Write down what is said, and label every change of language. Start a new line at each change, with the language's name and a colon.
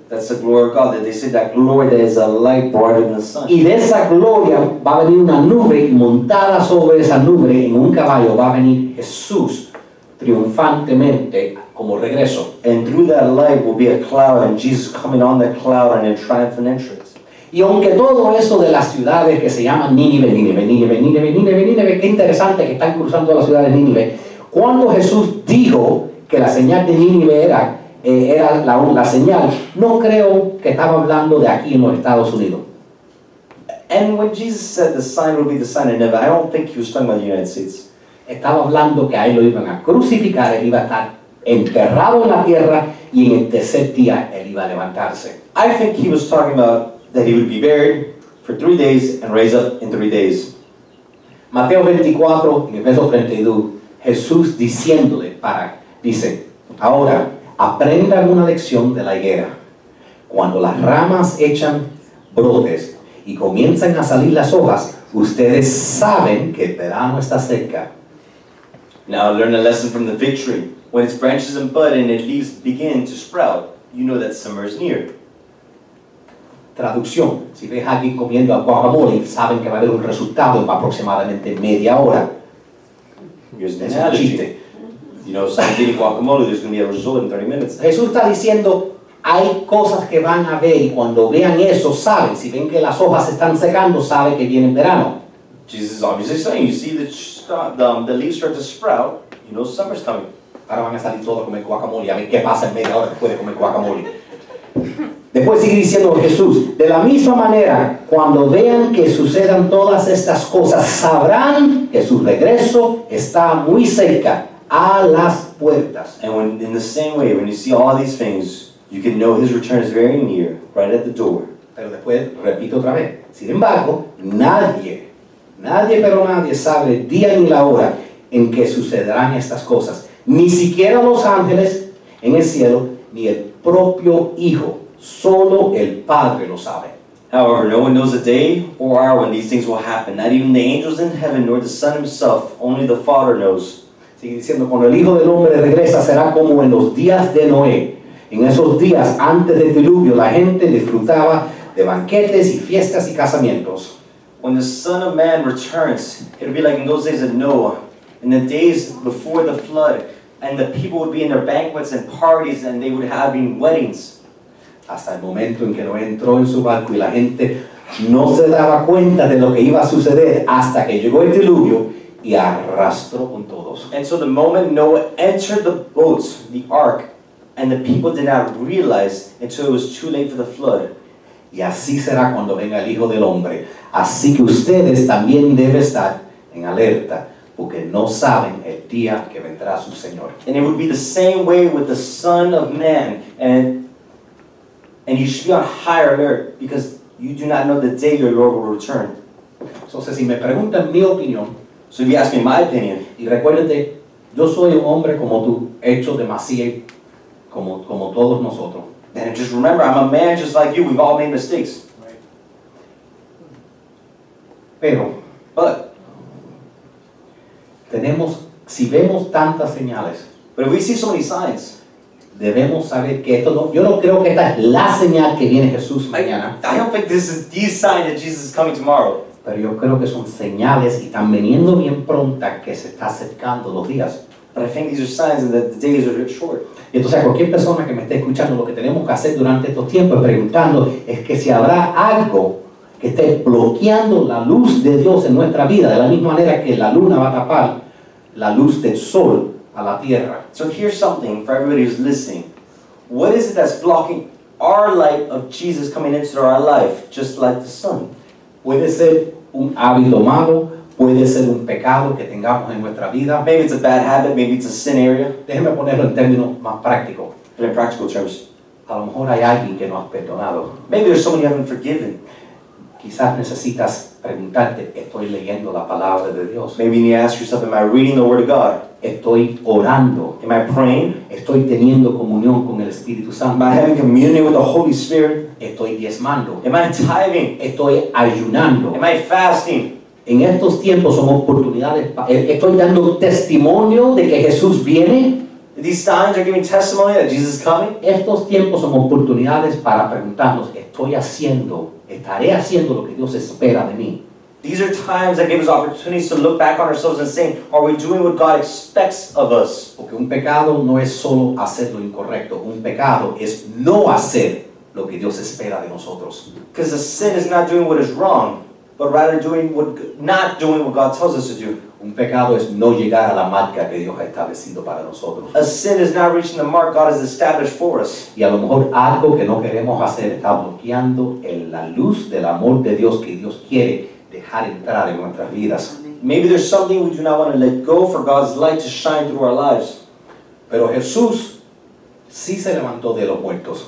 English: That's the glory of God. They say that glory that is a light brighter than the sun.
Spanish: Y de esa gloria va a venir una nube montada sobre esa nube en un caballo. Va a venir Jesús triunfantemente como regreso.
English: And through that light will be a cloud, and Jesus coming on that cloud and a triumphant entrance.
Spanish: Y aunque todo eso de las ciudades que se llaman Nínive, Nínive, Nínive, Nínive, Nínive, Nínive, qué interesante que están cruzando las ciudades de Nínive. Cuando Jesús dijo que la señal de Nínive era era la señal, no creo que estaba hablando de aquí en los Estados Unidos.
English: And when Jesus said the sign will be the sign of Nineveh, I don't think he was talking about the United States.
Spanish: Estaba hablando que ahí lo iban a crucificar, él iba a estar enterrado en la tierra y en el tercer día él iba a levantarse.
English: I think he was talking about that he would be buried for 3 days and raised up in 3 days.
Spanish: Mateo 24, en el verso 32, Jesús diciéndole, para, dice, ahora, aprendan una lección de la higuera. Cuando las ramas echan brotes y comienzan a salir las hojas, ustedes saben que el verano está cerca.
English: Now learn a lesson from the fig tree. When its branches and bud and its leaves begin to sprout, you know that summer is near.
Spanish: Traducción. Si ves a alguien comiendo guacamole, saben que va a haber un resultado en aproximadamente media hora. Es un chiste.
English: You know, somebody eating guacamole, there's going to be a result in 30 minutes.
Spanish: Jesús está diciendo, hay cosas que van a ver, y cuando vean eso, saben. Si ven que las hojas están secando, saben que viene verano.
English: Jesus is obviously saying, you see the leaves start to sprout, you know summer's coming.
Spanish: Ahora van a salir todos a comer guacamole, a ver qué pasa en media hora después de comer guacamole. Después sigue diciendo Jesús, de la misma manera, cuando vean que sucedan todas estas cosas, sabrán que su regreso está muy cerca, a las puertas.
English: And when, in the same way, when you see all these things, you can know his return is very near, right at the door.
Spanish: Pero después, repito otra vez, sin embargo, nadie sabe el día ni la hora en que sucederán estas cosas. Ni siquiera los ángeles en el cielo, ni el propio Hijo. Solo el Padre lo sabe.
English: However, no one knows the day or hour when these things will happen. Not even the angels in heaven, nor the Son himself. Only the Father knows.
Spanish: Sigue diciendo, cuando el Hijo del Hombre regresa, será como en los días de Noé. En esos días, antes del diluvio, la gente disfrutaba de banquetes y fiestas y casamientos.
English: When the Son of Man returns, it'll be like in those days of Noah. In the days before the flood, and the people would be in their banquets and parties, and they would have been weddings.
Spanish: Hasta el momento en que Noé entró en su barco y la gente no se daba cuenta de lo que iba a suceder hasta que llegó el diluvio y arrastró con todos.
English: And so the moment Noah entered the boat, the ark, and the people did not realize until it was too late for the flood.
Spanish: Y así será cuando venga el Hijo del Hombre. Así que ustedes también deben estar en alerta porque no saben el día que vendrá su Señor.
English: And it would be the same way with the Son of Man. And you should be on higher alert because you do not know the day your Lord will return.
Spanish: So, si me preguntan mi opinión,
English: so if you ask me my opinion,
Spanish: y recuérdate, yo soy un hombre como tú, hecho de masía, como todos nosotros.
English: Then just remember, I'm a man just like you. We've all made mistakes. Right.
Spanish: Pero,
English: but
Spanish: tenemos, si vemos tantas señales,
English: but if we see so many signs,
Spanish: debemos saber que esto no, yo no creo que esta es la señal que viene Jesús mañana.
English: I don't think this is the sign that Jesus is coming tomorrow.
Spanish: Pero yo creo que son señales y están viniendo bien pronta que se está acercando los días.
English: But I think these are signs and that the days are short.
Spanish: Y entonces a cualquier persona que me esté escuchando, lo que tenemos que hacer durante estos tiempos preguntando es que si habrá algo que esté bloqueando la luz de Dios en nuestra vida, de la misma manera que la luna va a tapar la luz del sol a la tierra.
English: So here's something for everybody who's listening. What is it that's blocking our light of Jesus coming into our life, just like the sun?
Spanish: Puede ser un hábito malo, puede ser un pecado que tengamos en nuestra vida.
English: Maybe it's a bad habit, maybe it's a sin area.
Spanish: Déjeme ponerlo en términos más prácticos.
English: In practical terms.
Spanish: A lo mejor hay alguien que no has perdonado.
English: Maybe there's someone you haven't forgiven.
Spanish: Quizás necesitas preguntarte, ¿estoy leyendo la palabra de Dios?
English: Maybe you need to ask yourself, am I reading the word of God?
Spanish: Estoy orando.
English: Am I praying?
Spanish: Estoy teniendo comunión con el Espíritu Santo.
English: Am I having communion with the Holy Spirit?
Spanish: Estoy diezmando.
English: Am I tithing?
Spanish: Estoy ayunando.
English: Am I fasting?
Spanish: En estos tiempos son oportunidades. Estoy dando testimonio de que Jesús viene.
English: These signs are giving testimony that Jesus is coming.
Spanish: Estos tiempos son oportunidades para preguntarnos, ¿estoy haciendo, estaré haciendo lo que Dios espera de mí?
English: These are times that give us opportunities to look back on ourselves and say, are we doing what God expects of us?
Spanish: Porque un pecado no es solo hacer lo incorrecto. Un pecado es no hacer lo que Dios espera de nosotros.
English: Because a sin is not doing what is wrong, but rather doing what, not doing what God tells us to do.
Spanish: Un pecado es no llegar a la marca que Dios ha establecido para nosotros.
English: A sin is not reaching the mark God has established for us.
Spanish: Y a lo mejor algo que no queremos hacer está bloqueando en la luz del amor de Dios que Dios quiere dejar entrar en nuestras vidas.
English: Maybe there's something we do not want to let go for God's light to shine through our lives.
Spanish: Pero Jesús sí se levantó de los muertos.